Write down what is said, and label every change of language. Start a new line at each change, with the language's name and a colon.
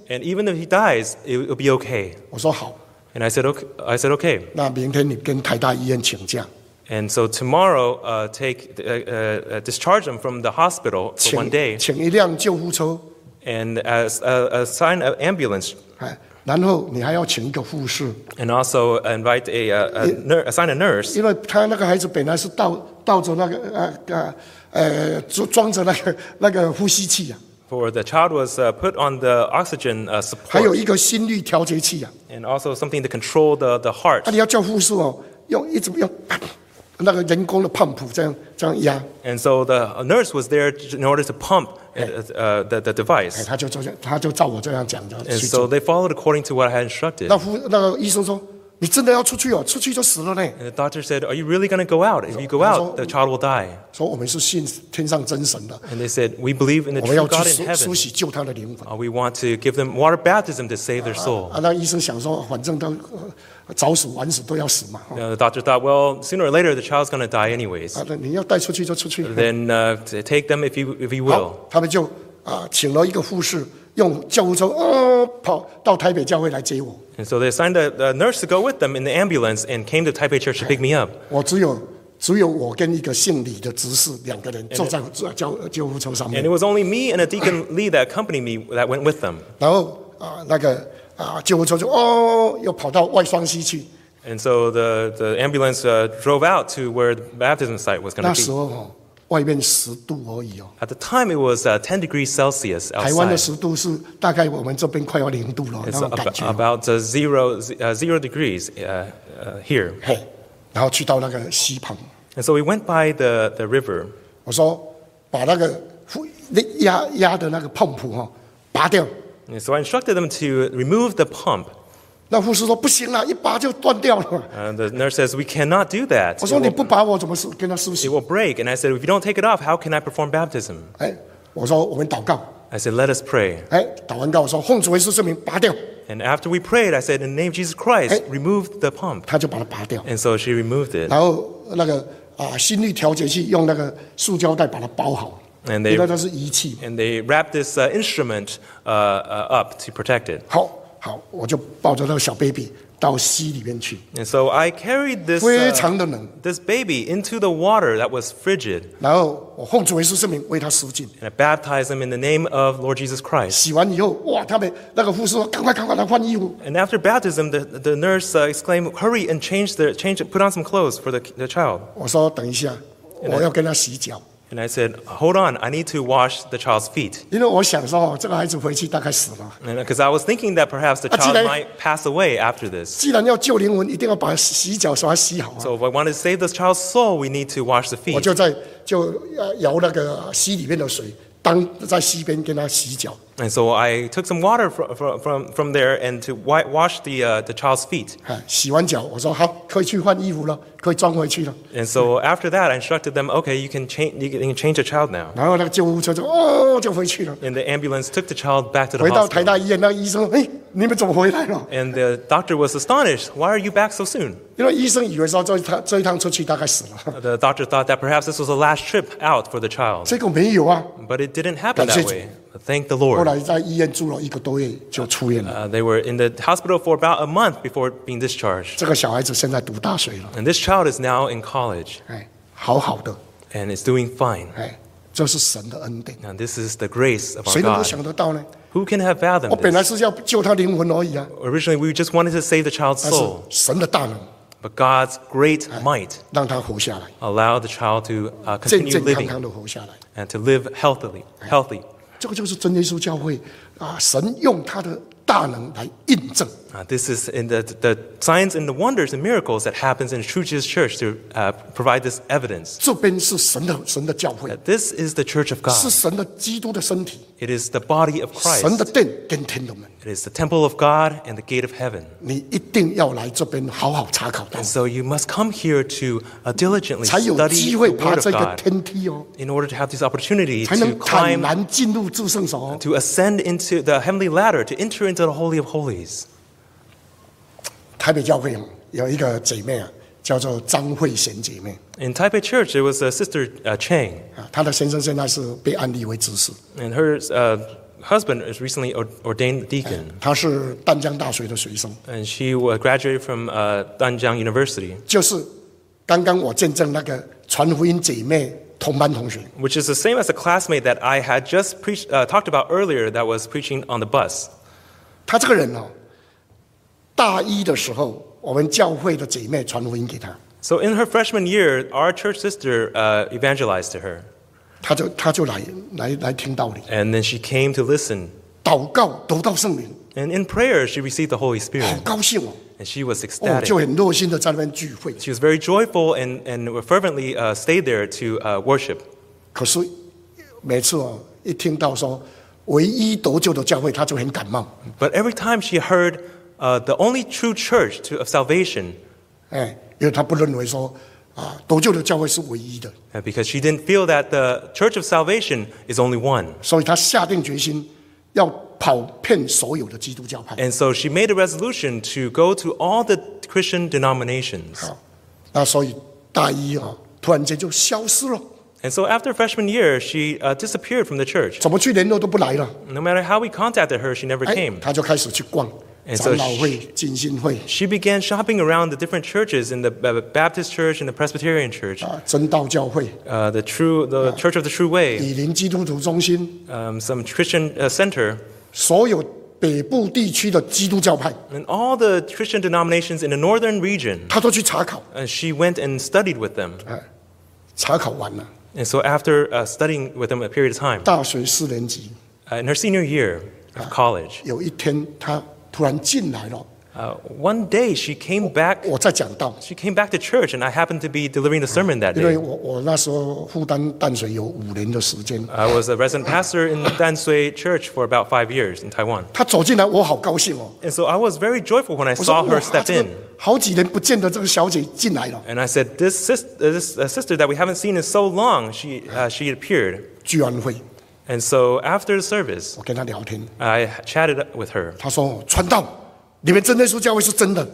English: And even if he dies, it will be okay.
Chinese: 我说好。
English: And I said okay.
Chinese: 那明天你跟台大医院请假。
English: And so tomorrow, discharge them from the hospital for one day.
Chinese: 请一辆救护车。
English: And as a sign of ambulance,
Chinese: 然后你还要请一个护士。
English: And also invite assign a nurse.
Chinese: 因为他那个孩子本来是倒着那个装着那个呼吸器。
English: For the child was put on the oxygen support.
Chinese: 还有一个心率调节器。
English: And also something to control the heart.
Chinese: 你要叫护士用一直要那个人工的 pump 这样压。
English: And so the nurse was there in order to pump the device.
Chinese: 他就照我这样讲的。
English: And so they followed according to what I had instructed.
Chinese: 那个医生说，你真的要出去哦，出去就死了呢。
English: And the doctor said, "Are you really going to go out? If you go out, the child will die."
Chinese: 说我们是信天上真神的。
English: And they said, "We believe in the true God in heaven."
Chinese: 我们要去梳洗救他的灵魂。
English: We want to give them water baptism to save their soul.
Chinese: 那医生想说，反正都早死晚死都要死嘛。
English: The doctor thought, "Well, sooner or later, the child's going to die anyways."
Chinese: 你要带出去就出去。
English: Then take them if you will.
Chinese: 他们就请了一个护士。用救护车跑到台北教会来接我。
English: And so they assigned a nurse to go with them in the ambulance and came to Taipei Church to pick me up.
Chinese: 我只有我跟一个姓李的执事两个人坐在救护车上面。
English: And it was only me and a deacon Lee that accompanied me that went with them.
Chinese: 然后救护车就又跑到外双溪去。
English: And so the ambulance drove out to where the baptism site was going to be.
Chinese: 那时候外面十度而已哦。
English: At the time, it was 10 degrees Celsius outside.
Chinese: 台湾的十度是大概我们这边快要零度了，那种感觉。
English: It's about zero degrees here.
Chinese: 然后去到那个溪旁。
English: And so we went by the river.
Chinese: 我说把那个压的那个 pump 哈拔掉。
English: And so I instructed them to remove the pump.
Chinese: 那护士说不行了，一拔就断掉了。
English: The nurse says we cannot do that.
Chinese: 我说你不拔我怎么跟他梳洗？
English: It will break. And I said if you don't take it off, how can I perform baptism?
Chinese: 我说我们祷告。
English: I said let us pray.
Chinese: 祷完告我说奉主耶稣圣名拔掉。
English: And after we prayed, I said in the name of Jesus Christ, remove the pump.
Chinese: 他就把它拔掉。
English: And so she removed it.
Chinese: 然后那个心率调节器用那个塑胶袋把它包好。
English: And they,
Chinese: 因为那是仪器。
English: And they wrapped this instrument up to protect it.
Chinese: 好。好，我就抱着那个小 baby 到溪里面去。
English: And so I carried this
Chinese: 非常的冷
English: this baby into the water that was frigid.
Chinese: 然后我奉主耶稣圣名为他洗净。
English: And I baptized him in the name of Lord Jesus Christ.
Chinese: 洗完以后，哇，他们那个护士说：“赶快，赶快来换衣服。
English: ”And after baptism, the nurse exclaimed, "Hurry and put on some clothes for the child."
Chinese: 我说：“等一下， I, 我要跟他洗脚。
English: And I said, hold on, I need to wash the child's feet. Because I was thinking that perhaps the child might pass away after this.
Chinese: 既然要救灵魂，一定要把洗脚刷洗好。
English: So if I want to save this child's soul, we need to wash the feet.
Chinese: 我就在就摇那个溪里面的水，当在溪边跟他洗脚。
English: And so I took some water from there and to wash the child's feet.
Chinese: 洗完脚，我说好，可以去换衣服了。可以装回去了。
English: And so after that, I instructed them, okay, you can change the child now.
Chinese: 然后那个救护车就就回去了。
English: And the ambulance took the child back to the hospital.
Chinese: 回到台大医院，那个医生，你们怎么回来了？
English: And the doctor was astonished. Why are you back so soon?
Chinese: 因为医生以为说这一趟出去大概死了。
English: The doctor thought that perhaps this was the last trip out for the child.
Chinese: 结果没有啊。
English: But it didn't happen that way. Thank the Lord.
Chinese: 后来在医院住了一个多月就出院了。
English: They were in the hospital for about a month before being discharged.
Chinese: 这个小孩子现在读大学了。
English: And this child is now in college.
Chinese: 好好的。
English: And it's doing fine.
Chinese: 这是神的恩典。
English: And this is the grace of our God.
Chinese: 谁能够想得到呢？
English: Who can have fathomed this?
Chinese: 我本来是要救他灵魂而已啊。
English: Originally, we just wanted to save the child's soul.
Chinese: 但是神的大能。
English: But God's great might.
Chinese: 让他活下来。
English: Allow的 child to continue living.
Chinese: 健健康康的活下来。
English: And to live healthily. Healthy.
Chinese: 这个就是真耶稣教会神用他的大能来印证。
English: This is in the signs and the wonders and miracles that happens in True Jesus Church to provide this evidence.
Chinese: 这边是神的教会。
English: This is the church of God.
Chinese: 是神的基督的身体。
English: It is the body of Christ.
Chinese: 神的殿跟天的门。
English: It is the temple of God and the gate of heaven.
Chinese: 你一定要来这边好好查考。
English: And so you must come here to diligently study the word of God. In order to have this opportunity to climb,
Chinese: 坦然进入至圣所。
English: To ascend into the heavenly ladder, to enter into the Holy of Holies.
Chinese: 台北教会有一个姐妹叫做张慧贤姐妹。
English: In Taipei Church, it was a sister Chang.
Chinese: 她的先生现在是被安立为执事。
English: And her husband is recently ordained deacon.
Chinese: 她是淡江大学的学生。
English: And she graduated from Danjiang University.
Chinese: 就是刚刚我见证那个传福音姐妹同班同学。
English: Which is the same as a classmate that I had just talked about earlier that was preaching on the bus.
Chinese: 她这个人大一的时候。我们教会的姐妹传福音给她。
English: So in her freshman year, our church sister evangelized to her.
Chinese: 她就来听道理。
English: And then she came to listen.
Chinese: 祷告得到圣灵。
English: And in prayer, she received the Holy Spirit.
Chinese: 好高兴哦。
English: And she was ecstatic.
Chinese: 哦，就很热心的在那边聚会。
English: She was very joyful and fervently stayed there to worship.
Chinese: 可是每次哦，一听到说唯一得救的教会，她就很感冒。
English: But every time she heard the only true church to of salvation,
Chinese: 哎，因为她不认为说。得救的教会是唯一的。
English: Because she didn't feel that the Church of Salvation is only one.
Chinese: 所以她下定决心要跑遍所有的基督教派。
English: And so she made a resolution to go to all the Christian denominations.
Chinese: 那所以大一啊，突然间就消失了。
English: And so after freshman year, she disappeared from the church.
Chinese: 怎么去联络都不来了。
English: No matter how we contacted her, she never came.
Chinese: 她就开始去逛。
English: And so she began shopping around the different churches in the Baptist Church and the Presbyterian Church.
Chinese: 真道教会。
English: The Church of the True Way.
Chinese: 以林基督徒中心。
English: Some Christian center.
Chinese: 所有北部地区的基督教派。
English: And all the Christian denominations in the northern region.
Chinese: 她都去查考。
English: And she went and studied with them.
Chinese: 查考完了。
English: And so after studying with them a period of time.
Chinese: 大学四年级。
English: In her senior year of college.
Chinese: 有一天她。突然进来了。
English: One day she came back.
Chinese: 我在讲道。
English: She came back to church, and I happened to be delivering the sermon that day.
Chinese: 因为我那时候负担淡水有五年的时间。
English: I was a resident pastor in 淡水 church for about 5 years in Taiwan.
Chinese: 她走进来，我好高兴哦。
English: And so I was very joyful when I saw her step in.
Chinese: 好几年不见的这个小姐进来了。
English: And I said, this sister that we haven't seen in so long, she appeared.
Chinese: 聚安会。
English: And so after the service,
Chinese: 我跟她聊天,
English: I chatted with her.
Chinese: 她说, 传道, 你们真耶稣教会是真的。